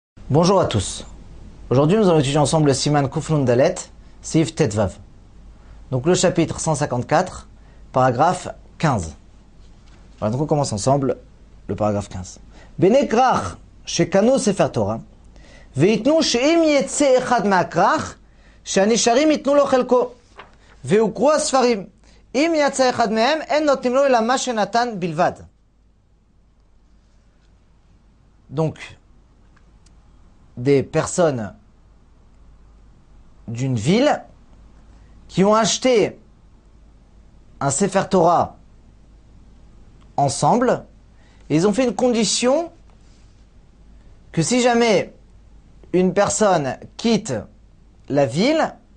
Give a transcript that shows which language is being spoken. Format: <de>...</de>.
<fr>Bonjour à tous. Aujourd'hui, nous allons étudier ensemble le Siman Kufnun Dalet, Siv Tetvav. Donc le chapitre 154, paragraphe 15. Voilà, donc on commence ensemble le paragraphe 15.</fr> <he>Benekrach שקנו ספר תורה ויתנו שאם יצא אחד מהכרח שהנשארים ייתנו לו חלקו והוקרו הספרים אם יצא אחד מהם אין נותנים לו אלא מה שנתן בלבד.</he> <fr>Donc des personnes d'une ville qui ont acheté un Sefer Torah ensemble, ils ont fait une condition que si jamais une personne quitte la ville,</fr>